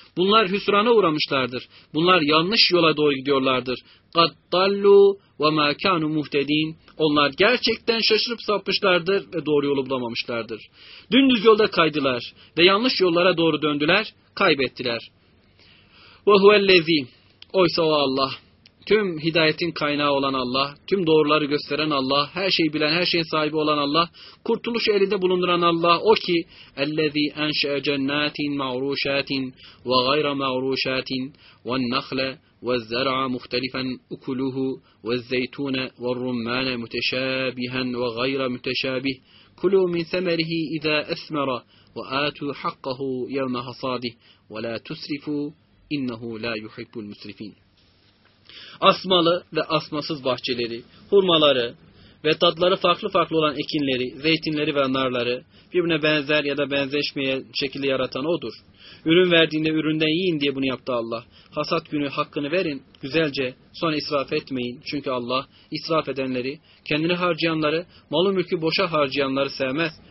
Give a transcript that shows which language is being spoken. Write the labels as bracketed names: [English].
[Turkish] Bunlar hüsrana uğramışlardır. Bunlar yanlış yola doğru gidiyorlardır. [Arabic] قَدْ دَلُّوا وَمَا كَانُوا مُهْتَد۪ينَ [Turkish] Onlar gerçekten şaşırıp sapmışlardır ve doğru yolu bulamamışlardır. Dümdüz yolda kaydılar ve yanlış yollara doğru döndüler, kaybettiler. [Arabic] وَهُوَ الَّذ۪ي [Turkish] Oysa o Allah, tüm hidayetin kaynağı olan Allah, tüm doğruları gösteren Allah, her şeyi bilen, her şeyin sahibi olan Allah, kurtuluşu elinde bulunduran Allah, o ki, [Arabic] اَلَّذ۪ي اَنْشَأَ جَنَّاتٍ مَعْرُوشَاتٍ وَغَيْرَ مَعْرُوشَاتٍ وَالنَّخْلَ وَالزَّرْعَ مُخْتَلِفًا اُكُلُهُ وَالزَّيْتُونَ وَالرُّمَّانَ مُتَشَابِهًا وَغَيْرَ مُتَشَابِهِ كُلُوا مِنْ ثَمَرِهِ اِذَا اَثْمَرَ وَآتُوا حَقَّهُ يَوْمَ حَصَادِهِ وَلَا تُسْرِفُوا اِنَّهُ لَا يُحِبُّ الْمُسْرِفِينَ [Turkish] Asmalı ve asmasız bahçeleri, hurmaları ve tatları farklı farklı olan ekinleri, zeytinleri ve narları birbirine benzer ya da benzeşmeyen şekilde yaratan odur. Ürün verdiğinde üründen yiyin diye bunu yaptı Allah. Hasat günü hakkını verin güzelce, sonra israf etmeyin. Çünkü Allah israf edenleri, kendini harcayanları, malı mülkü boşa harcayanları sevmez.